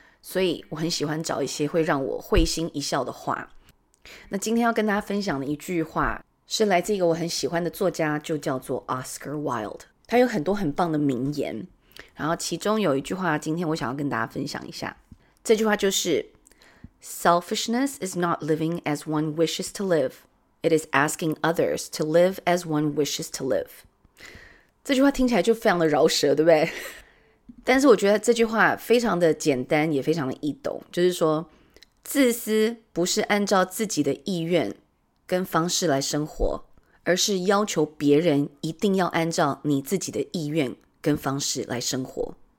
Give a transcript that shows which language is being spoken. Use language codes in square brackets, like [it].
[zh] 所以我很喜欢找一些会让我会心一笑的话。那今天要跟大家分享的一句话是来自一个我很喜欢的作家，就叫做 Oscar Wilde。他有很多很棒的名言，然后其中有一句话今天我想要跟大家分享一下。这句话就是 [en] Selfishness is not living as one wishes to liveIt is asking others to live as one wishes to live. [zh] 这句话听起来就非常的饶舌，对不对？但是我觉得这句话非常的简单，也非常的易懂。就是说，自私不是按照自己的意愿跟方式来生活，而是要求别人一定要按照你自己的意愿跟方式来生活。